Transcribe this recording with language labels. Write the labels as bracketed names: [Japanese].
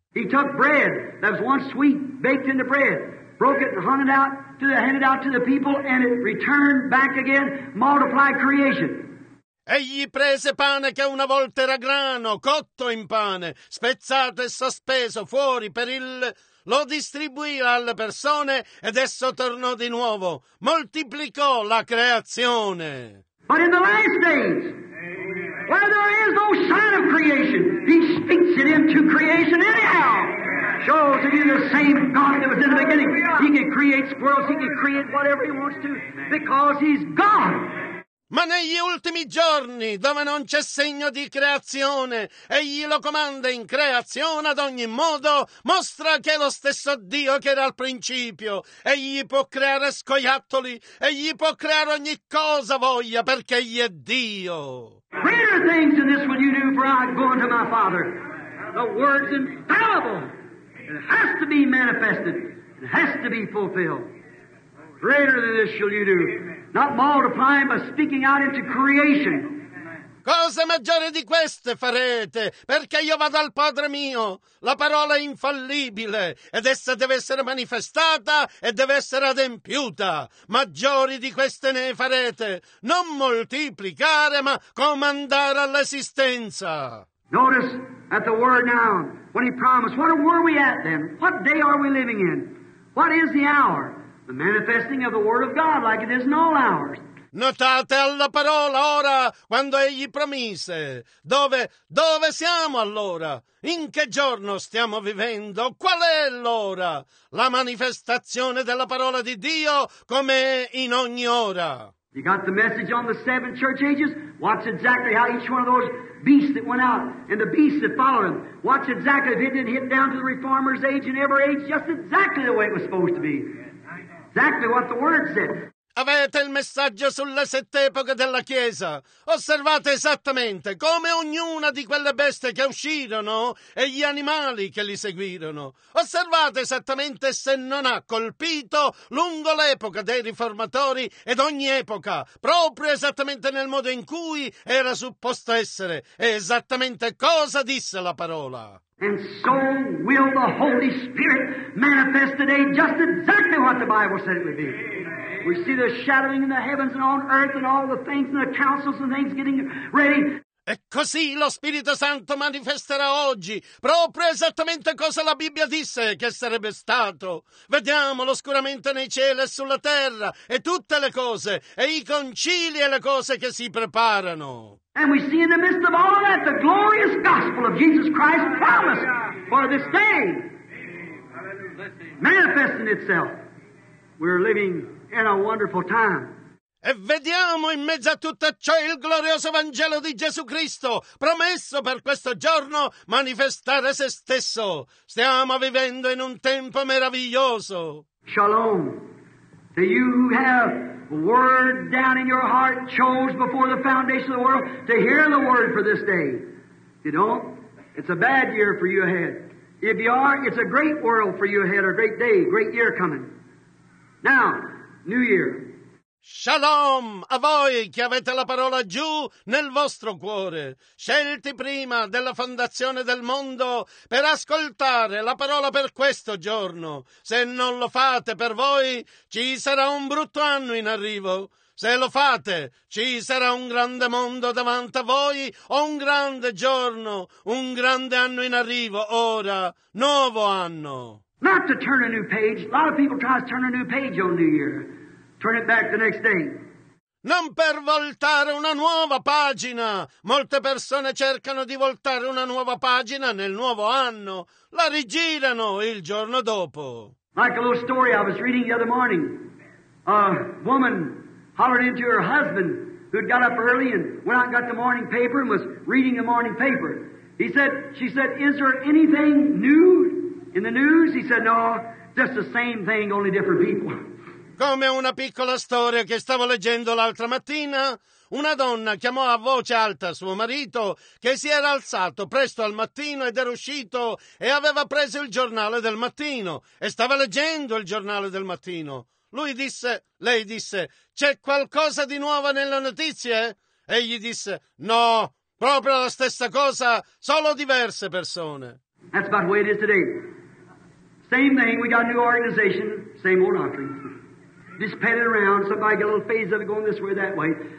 [English] He took bread that was once sweet, baked into bread, broke it and hung it out to the, handed out to the people, and it returned back again, multiplied creation. [Italian] Egli prese pane che una volta era grano, cotto in pane, spezzato e sospeso fuori per il... Lo distribuì alle persone ed esso tornò di nuovo, moltiplicò la creazione. [English] But in the last days... Amen. where there is no sign of creation. He speaks it into creation anyhow. Shows that you're the same God that was in the beginning. He can create squirrels. He can create whatever he wants to because he's God. [Italian] Ma negli ultimi giorni, dove non c'è segno di creazione, egli lo comanda in creazione ad ogni modo, mostra che è lo stesso Dio che era al principio. Egli può creare scoiattoli, egli può creare ogni cosa voglia, perché egli è Dio. [English] Greater things than this will you do, for I go unto my Father. The word's infallible. It has to be manifested. It has to be fulfilled. Greater than this shall you do. Not multiplying, but speaking out into creation. [Italian] Cose maggiori di queste farete, perché io vado al Padre mio. La parola è infallibile, ed essa deve essere manifestata e deve essere adempiuta. Maggiori di queste ne farete. Non moltiplicare, ma comandare all'esistenza. [English] Notice at the word now, when he promised. What were we at then? What day are we living in? What is the hour? The manifesting of the Word of God, like it is in all hours. [Italian] Notate alla parola ora, quando egli promise. Dove siamo allora? In che giorno stiamo vivendo? Qual è l'ora? La manifestazione della parola di Dio, come in ogni ora. [English] You got the message on the seven church ages? Watch exactly how each one of those beasts that went out, and the beasts that followed them. Watch exactly if it didn't hit down to the reformer's age and every age, just exactly the way it was supposed to be. Exactly what the word said. [Italian] Avete il messaggio sulle sette epoche della Chiesa. Osservate esattamente come ognuna di quelle bestie che uscirono e gli animali che li seguirono. Osservate esattamente se non ha colpito lungo l'epoca dei riformatori ed ogni epoca, proprio esattamente nel modo in cui era supposto essere e esattamente cosa disse la parola. [English] And so will the Holy Spirit manifest today just exactly what the Bible said it would be. We see the shadowing in the heavens and on earth and all the things and the councils and things getting ready. [Italian] E così lo Spirito Santo manifesterà oggi proprio esattamente cosa la Bibbia disse che sarebbe stato. Vediamo l'oscuramento nei cieli e sulla terra e tutte le cose e i concili e le cose che si preparano. [English] And we see in the midst of all that the glorious gospel of Jesus Christ promised for this day manifesting itself. We're living in a wonderful time. [Italian] E vediamo in mezzo a tutto ciò il glorioso Vangelo di Gesù Cristo, promesso per questo giorno manifestare se stesso. Stiamo vivendo in un tempo meraviglioso. [Hebrew] Shalom. [English] To you who have the word down in your heart, chose before the foundation of the world to hear the word for this day. You don't? It's a bad year for you ahead. If you are, it's a great world for you ahead, a great day, great year coming. Now, New Year. [Italian] Shalom a voi che avete la parola giù nel vostro cuore, scelti prima della fondazione del mondo per ascoltare la parola per questo giorno. Se non lo fate per voi, ci sarà un brutto anno in arrivo. Se lo fate, ci sarà un grande mondo davanti a voi o un grande giorno, un grande anno in arrivo, ora, nuovo anno. [English] Not to turn a new page. A lot of people try to turn a new page on New Year. Turn it back the next day. [Italian] Non per voltare una nuova pagina. Molte persone cercano di voltare una nuova pagina nel nuovo anno. La rigirano il giorno dopo. [English] Like a little story I was reading the other morning. A woman hollered into her husband who had got up early and went out and got the morning paper and was reading the morning paper. She said, is there anything new in the news? He said, no, just the same thing, only different people. [Italian] Come una piccola storia che stavo leggendo l'altra mattina, una donna chiamò a voce alta suo marito che si era alzato presto al mattino ed era uscito e aveva preso il giornale del mattino e stava leggendo il giornale del mattino. Lei disse, c'è qualcosa di nuovo nelle notizie? Egli disse, no, proprio la stessa cosa, solo diverse persone. [English] That's about the way it is today. Same thing, we got a new organization, same old doctrine. Just pet it around, somebody get a little phase of it going this way, that way.